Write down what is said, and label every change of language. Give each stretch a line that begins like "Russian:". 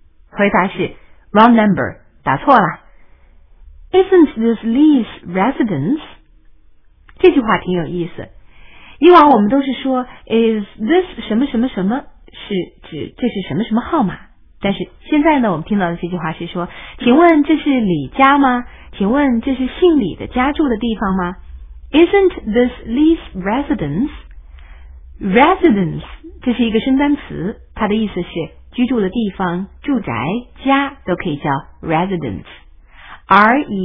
Chinese: 回答是
English: Wrong number,
Chinese: 打错了。
English: Isn't this Lee's residence?
Chinese: 这句话挺有意思。以往我们都是说
English: Is this
Chinese: 什么什么什么，是指这是什么什么号码，但是现在呢，我们听到的这句话是说，请问这是李家吗？请问这是姓李的家住的地方吗？
English: Isn't this Lee's residence?
Chinese: Residence 这是一个身单词，它的意思是居住的地方、住宅、家，都可以叫 residence。